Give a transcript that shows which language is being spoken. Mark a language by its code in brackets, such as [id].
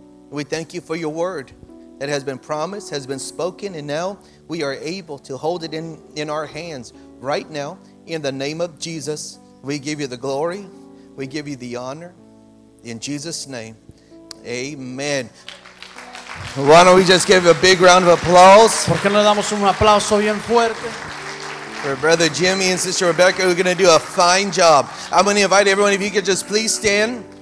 [en] We thank you for your word that has been promised, has been spoken, and now we are able to hold it in our hands. Right now, in the name of Jesus, we give you the glory, we give you the honor. In Jesus' name, amen. Why don't we just give a big round of applause? [es] ¿Por qué no damos un aplauso bien fuerte? [en] For Brother Jimmy and Sister Rebecca, who are going to do a fine job. I'm going to invite everyone, if you could just please stand.